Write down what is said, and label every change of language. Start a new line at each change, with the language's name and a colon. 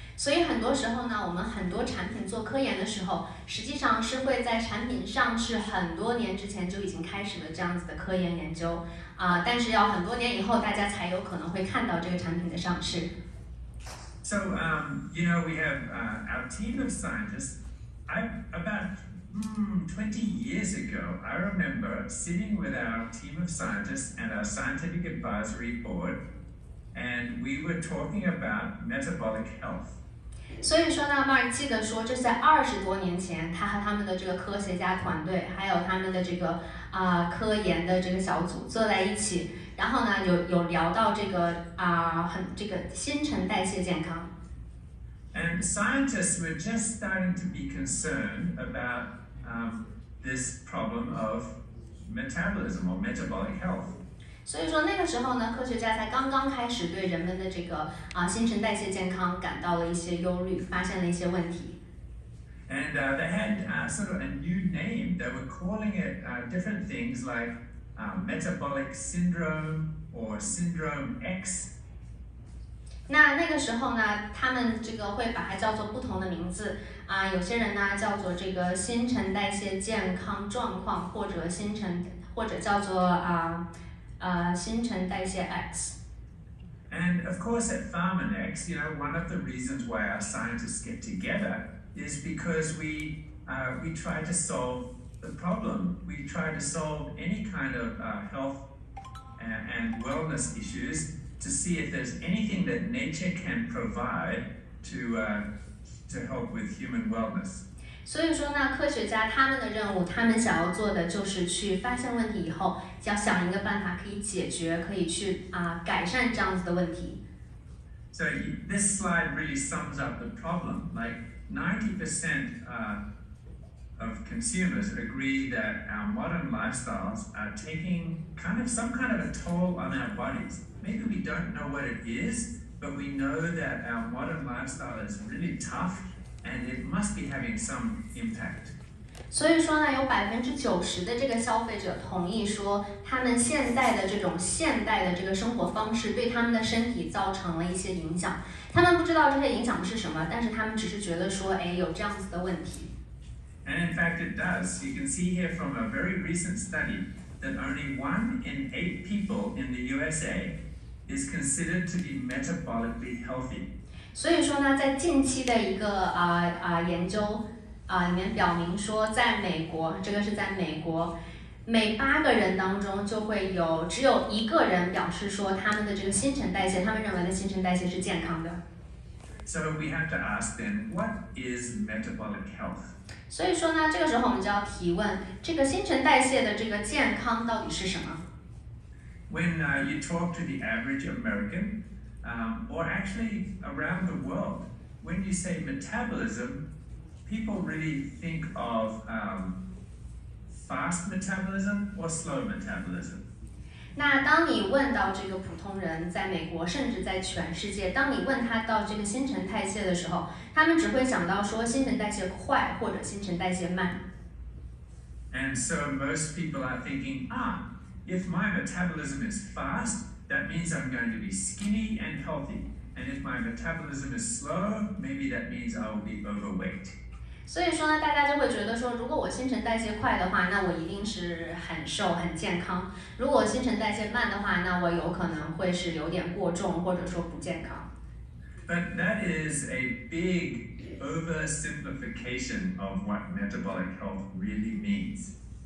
Chinese: 所以很多时候呢，我们很多产品做科研的时候，实际上是会在产品上市很多年之前就已经开始了这样子的科研研究啊，但是要很多年以后大家才有可能会看到这个产品的上市。
English: So we have our team of scientists. About 20 years ago, I remember sitting with our team of scientists and our scientific advisory board, and we were talking about metabolic health.
Chinese: 所以说呢 ，Mark 记得说，这在20多年前，他和他们的这个科学家团队，还有他们的这个科研的这个小组坐在一起，然后呢，有聊到这个这个新陈代谢健康。
English: And scientists were just starting to be concerned about this problem of metabolism or metabolic health.
Chinese: 所以说那个时候呢，科学家才刚刚开始对人们的这个新陈代谢健康感到了一些忧虑，发现了一些问题。
English: And they had sort of a new name. They were calling it different things like metabolic syndrome or syndrome X.
Chinese: 那个时候呢，他们这个会把它叫做不同的名字啊，有些人呢叫做这个新陈代谢健康状况，或者叫做新陈代谢 X.
English: And of course, at PharmaNex, one of the reasons why our scientists get together is because we try to solve the problem. We try to solve any kind of health and wellness issues to see if there's anything that nature can provide to help with human wellness.
Chinese: 所以说呢，科学家他们的任务，他们想要做的就是去发现问题以后，要想一个办法可以解决，可以去改善这样子的问题。
English: So this slide really sums up the problem. Like 90% of consumers agree that our modern lifestyles are taking some kind of a toll on our bodies. Maybe we don't know what it is, but we know that our modern lifestyle is really tough. And it must be having some impact.
Chinese: 所以说呢，有90%的这个消费者同意说，他们现在的这种现代的这个生活方式对他们的身体造成了一些影响。他们不知道这些影响是什么，但是他们只是觉得说，哎，有这样子的问题。
English: And in fact, it does. You can see here from a very recent study that only 1 in 8 people in the USA is considered to be metabolically healthy.
Chinese: 所以说呢，在近期的一个研究里面表明说，在美国，这个是在美国，每8个人当中就会有只有一个人表示说他们的这个新陈代谢，他们认为的新陈代谢是健康的。
English: So we have to ask then, what is metabolic health?
Chinese: 所以说呢，这个时候我们就要提问，这个新陈代谢的这个健康到底是什么？
English: When you talk to the average American, or actually around the world, when you say metabolism, people really think of fast metabolism or slow metabolism.
Chinese: 那当你问到这个普通人，在美国甚至在全世界，当你问他到这个新陈代谢的时候，他们只会想到说新陈代谢快或者新陈代谢慢。
English: And so most people are thinking, ah. If my metabolism is fast, that means I'm going to be skinny and healthy. And if my metabolism is slow, maybe that means I will be overweight.
Chinese: 所以说呢，大家就会觉得说，如果我新陈代谢快的话，那我一定是很瘦很健康。如果我新陈代谢慢的话，那我有可能会是有点过重或者说不健康。
English: But that is a big oversimplification of what metabolic health really means.